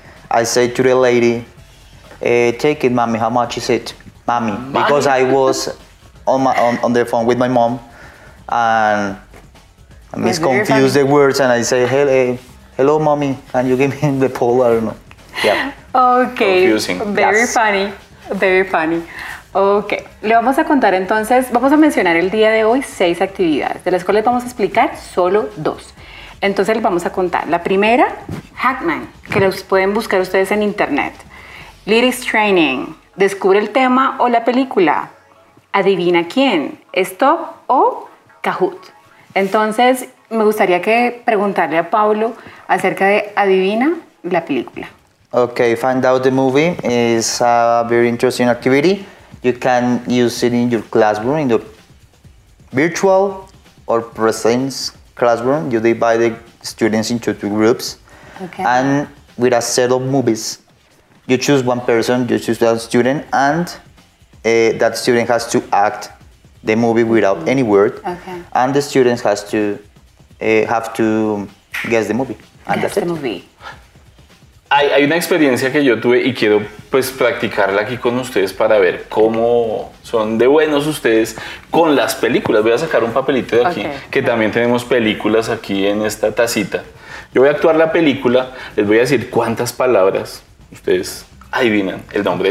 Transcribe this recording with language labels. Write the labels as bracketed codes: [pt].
[en] I said to the lady, take it, mommy, how much is it? Mommy. Because I was on the phone with my mom and I misconfuse the words and I say, hello, mommy, can you give me the pole? I don't know. Yeah. Okay. Confusing. Very yes. Funny. Very funny. Okay. [es] Le vamos a contar entonces, vamos a mencionar el día de hoy 6 actividades, de las cuales vamos a explicar solo 2. Entonces les vamos a contar. La primera, Hackman, que los pueden buscar ustedes en internet. Lyrics Training, descubre el tema o la película. Adivina quién, Stop o Kahoot. Entonces, me gustaría que preguntarle a Pablo acerca de Adivina la película. [en] Okay, Find Out the Movie is a very interesting activity. You can use it in your classroom, in the virtual or presence classroom. You divide the students into 2 groups. Okay. And with a set of movies, you choose one person, you choose that student, and that student has to act the movie without any word. Okay. And the students has to have to guess the movie. And guess the it. Movie. [es] Hay una experiencia que yo tuve y quiero pues practicarla aquí con ustedes para ver cómo son de buenos ustedes con las películas. Voy a sacar un papelito de aquí, [en] okay, [es] que [en] okay. [es] También tenemos películas aquí en esta tacita. Yo voy a actuar la película, les voy a decir cuántas palabras ustedes adivinan el nombre,